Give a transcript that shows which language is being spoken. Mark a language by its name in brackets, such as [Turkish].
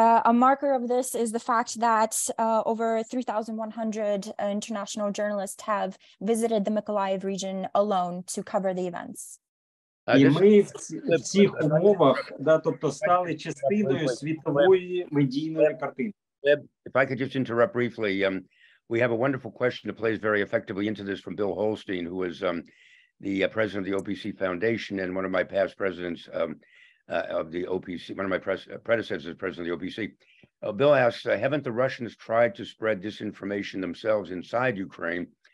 [English] A marker of this is the fact that over 3,100 international journalists have visited the Mykolaiv region alone to cover the events. [Ukrainian] І ми в цих умовах, да, тобто стали частиною світової медійної картини. [English] If I could just interrupt briefly, we have a wonderful question that plays very effectively into this from Bill Holstein, who is the president of the OPC Foundation and one of my past presidents of the OPC, one of my predecessors, president of the OPC. Bill asks, haven't the Russians tried to spread disinformation themselves inside Ukraine?